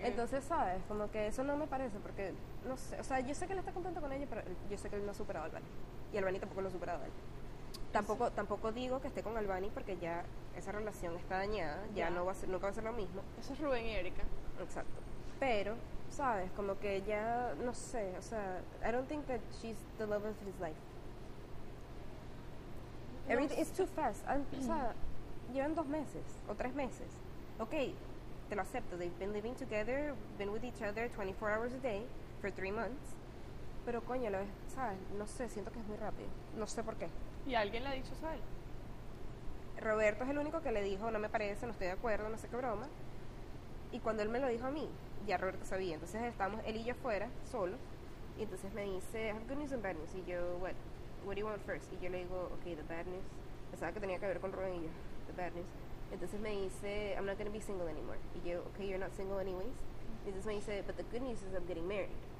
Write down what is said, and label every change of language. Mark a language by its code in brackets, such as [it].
[es] Entonces, ¿sabes? Como que eso no me parece, porque no sé. O sea, yo sé que él está contento con ella, pero yo sé que él no ha superado a Albany. Y Albany tampoco lo ha superado a él. Tampoco, sí. Tampoco digo que esté con Albany, porque ya esa relación está dañada. Ya no va a ser, nunca va a ser lo mismo. Eso es Rubén y Erika. Exacto. Pero, ¿sabes? Como que ya, no sé. O sea, [en] I don't think that she's the love of his life. Everything is too fast. [es] O sea, llevan 2 meses o 3 meses. [en] Okay, [es] te lo acepto. [en] They've been living together, been with each other 24 hours a day for 3 months. [es] Pero coño, lo ves, ¿sabes? No sé, siento que es muy rápido. No sé por qué. ¿Y alguien le ha dicho eso a él? Roberto es el único que le dijo, no me parece, no estoy de acuerdo, no sé qué broma. Y cuando él me lo dijo a mí, ya Roberto sabía. Entonces estábamos él y yo afuera, solos. Y entonces me dice, [en] I have good news and bad news. [es] Y yo, [en] what? What do you want first? [es] Y yo le digo, okay, [en] the bad news. [es] Pensaba que tenía que ver con Rubén y yo, the bad news. Entonces me dice, [en] I'm not going to be single anymore. [es] Y yo, [en] okay, you're not single anyways. [es] Y entonces me dice, [en] but the good news is I'm getting married.